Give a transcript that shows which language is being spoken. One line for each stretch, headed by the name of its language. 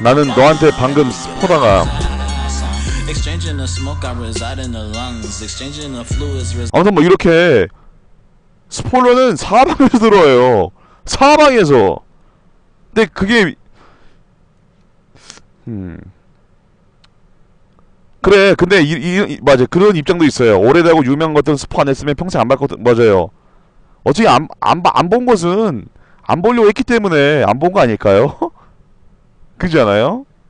Korean: 나는 너한테 방금 스포다가.
English: Exchanging the smoke, I reside in the lungs. Exchanging the fluids.
Korean: 아무튼 뭐 이렇게 스포일러는 사방에서 들어와요. 사방에서. 근데 그게 그래. 근데 맞아. 그런 입장도 있어요. 오래되고 유명한 것들은 스포 안 했으면 평생 안 봤거든. 맞아요. 어차피 안 본 것은 안 보려고 했기 때문에 안 본 거 아닐까요? 그렇지 않아요?